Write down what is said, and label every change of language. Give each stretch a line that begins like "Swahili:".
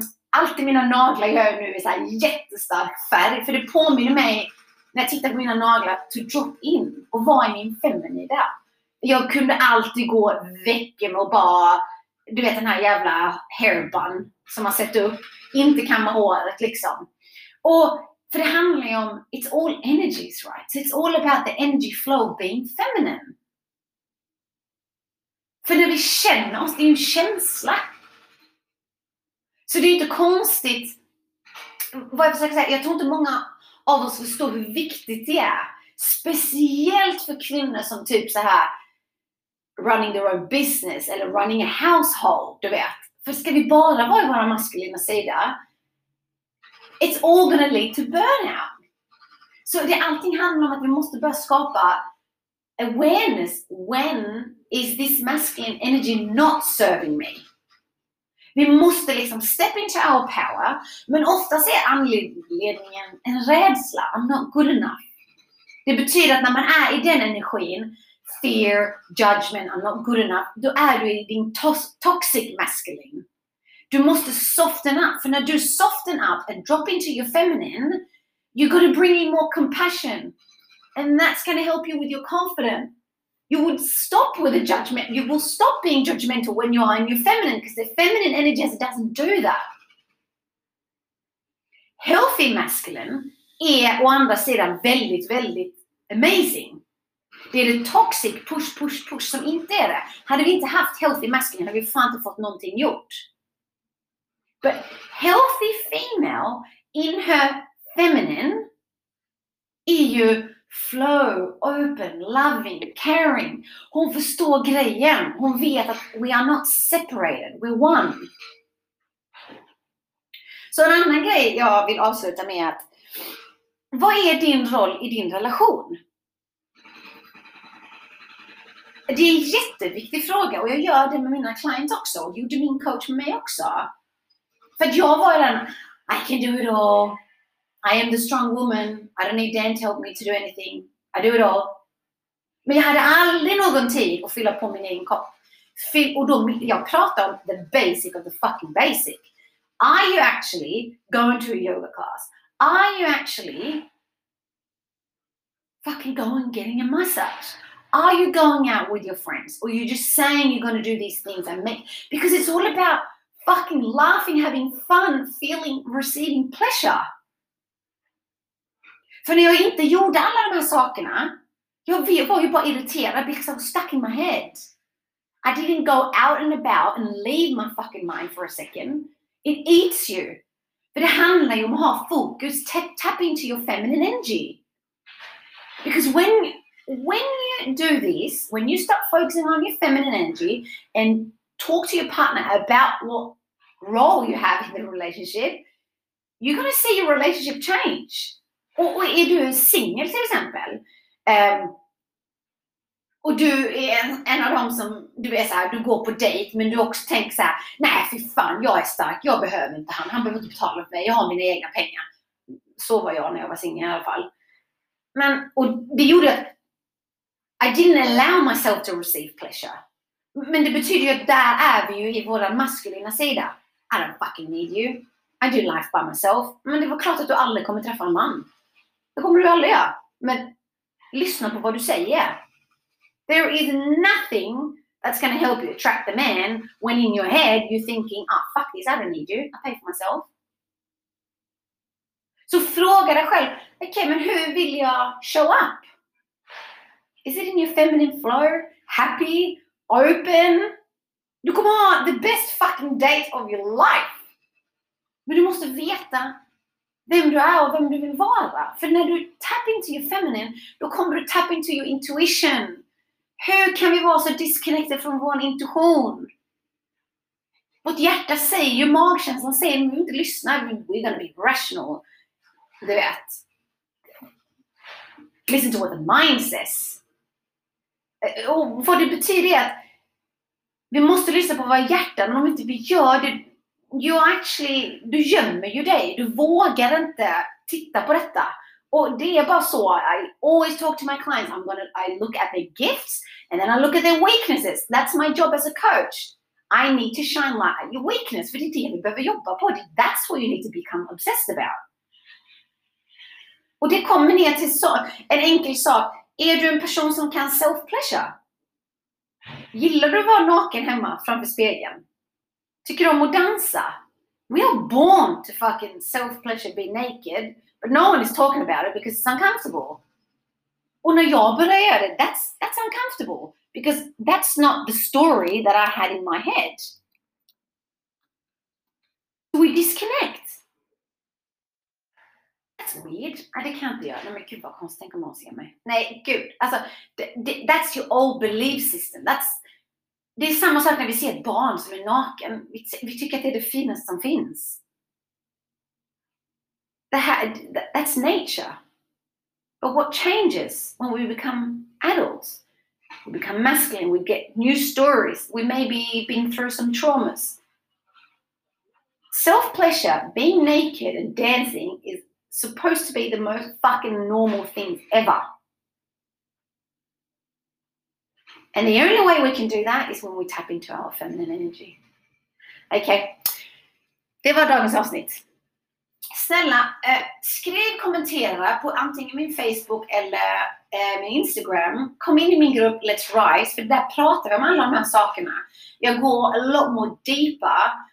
Swedish: Allt i mina naglar gör jag nu i så här jättestark färg, för det påminner mig när jag tittar på mina naglar
English: to drop in
Swedish: och vara i min feminida. Jag kunde alltid gå veckan och bara, du vet den här jävla hair bun som man sätter upp, inte kamma håret liksom. Och för det handlar ju om,
English: it's all energies, right? It's all about the energy flow being feminine.
Swedish: För när vi känner oss, det är ju en känsla. Så det är inte konstigt, vad jag försöker säga, jag tror inte många av oss förstår hur viktigt det är. Speciellt för kvinnor som typ så här,
English: running their own business
Swedish: eller
English: running a household,
Swedish: du vet. För ska vi bara vara i våra maskulina sida,
English: it's all gonna lead to burnout.
Swedish: Så det allting handlar om att vi måste börja skapa awareness.
English: When is this masculine energy not serving me?
Swedish: Vi måste liksom
English: step into our power.
Swedish: Men oftast är anledningen en rädsla.
English: I'm not good enough.
Swedish: Det betyder att när man är i den energin,
English: fear, judgment, I'm not good enough,
Swedish: då är du i din
English: toxic masculine.
Swedish: Du måste
English: soften up.
Swedish: För när du
English: soften up and drop into your feminine, you gotta bring in more compassion. And that's gonna help you with your confidence. You would stop with a judgment. You will stop being judgmental when you are in your feminine, because the feminine energy doesn't do that.
Swedish: Healthy masculine är å andra sidan väldigt, väldigt amazing. Det är det
English: toxic push, push, push
Swedish: som inte är det. Hade vi inte haft healthy masculine hade vi fan inte fått någonting gjort.
English: But healthy female in her feminine
Swedish: är ju
English: flow, open, loving, caring.
Swedish: Hon förstår grejen. Hon vet att
English: we are not separated. We're one.
Swedish: Så en annan grej jag vill avsluta med är att, vad är din roll i din relation? Det är en jätteviktig fråga. Och jag gör det med mina clients också. Och gjorde min coach med mig också. För att jag var den,
English: I can do it all. I am the strong woman. I don't need Dan to help me to do anything. I do it all.
Swedish: Men jag hade aldrig någon tid att fylla på min egen kopp. Och då jag pratar om
English: the basic of the fucking basic. Are you actually going to a yoga class? Are you actually fucking going getting a massage? Are you going out with your friends? Or are you just saying you're going to do these things and make... Because it's all about fucking laughing, having fun, feeling, receiving pleasure.
Swedish: För när jag inte gjorde alla de här sakerna, jag var ju bara irriterad,
English: because I was stuck in my head. I didn't go out and about and leave my fucking mind for a second. It eats you.
Swedish: För det handlar ju om att ha fokus,
English: tap into your feminine energy. Because when you do this, when you start focusing on your feminine energy and talk to your partner about what role you have in the relationship, you're going to see your relationship change.
Swedish: Och är du en singel till exempel, och du är en av dem som, du är så här, du går på dejt, men du också tänker så här, nej fy fan, jag är stark, jag behöver inte han, han behöver inte betala för mig, jag har mina egna pengar. Så var jag när jag var singel i alla fall. Men, och det gjorde att,
English: I didn't allow myself to receive pleasure.
Swedish: Men det betyder ju att där är vi ju i våra maskulina sida.
English: I don't fucking need you. I do life by myself.
Swedish: Men det var klart att du aldrig kommer träffa en man. Det kommer du aldrig göra. Men lyssna på vad du säger.
English: There is nothing that's going to help you attract the man when in your head you're thinking, ah, fuck this, I don't need you. I pay for myself.
Swedish: Så fråga dig själv, okej, men hur vill jag
English: show up? Is it in your feminine flow? Happy? Open?
Swedish: Du kommer ha
English: the best fucking date of your life.
Swedish: Men du måste veta vem du är och vem du vill vara. För när du
English: tap into your feminine,
Swedish: då kommer du
English: tap into your intuition.
Swedish: Hur kan vi vara så disconnected från vår intuition? Vårt hjärta säger ju, magkänslan säger, men vi inte lyssnar,
English: we're gonna be rational.
Swedish: Du vet.
English: Listen to what the mind says.
Swedish: Och vad det betyder är att vi måste lyssna på våra hjärtan, men om inte vi gör det,
English: you actually,
Swedish: du gömmer ju dig. Du vågar inte titta på detta. Och det är bara så,
English: I always talk to my clients, I look at their gifts and then I look at their weaknesses. That's my job as a coach. I need to shine light at your weakness.
Swedish: För det är det vi behöver jobba på.
English: That's what you need to become obsessed about.
Swedish: Och det kommer ner till så, en enkel sak. Är du en person som kan self-pleasure? Gillar du att vara naken hemma framför spegeln? Tycker du om att dansa?
English: We are born to fucking self-pleasure, be naked. But no one is talking about it because it's uncomfortable.
Swedish: Och när jag börjar göra det,
English: that's uncomfortable. Because that's not the story that I had in my head. We disconnect. That's weird. I can't be honest.
Swedish: Men gud vad konstigt, tänk om hon ser mig. Nej, gud. Alltså,
English: that's your old belief system.
Swedish: Det är samma sak när vi ser ett barn som är naken. Vi tycker att det är det finaste som finns.
English: That's nature. But what changes when we become adults? We become masculine, we get new stories, we may be been through some traumas. Self-pleasure, being naked and dancing is supposed to be the most fucking normal thing ever. And the only way we can do that is when we tap into our feminine energy.
Swedish: Okay, det var dagens avsnitt. Snälla, skriv kommentera på antingen min Facebook eller min Instagram. Kom in i min grupp Let's Rise, för där pratar vi om alla de här sakerna. Jag går
English: a lot more deeper.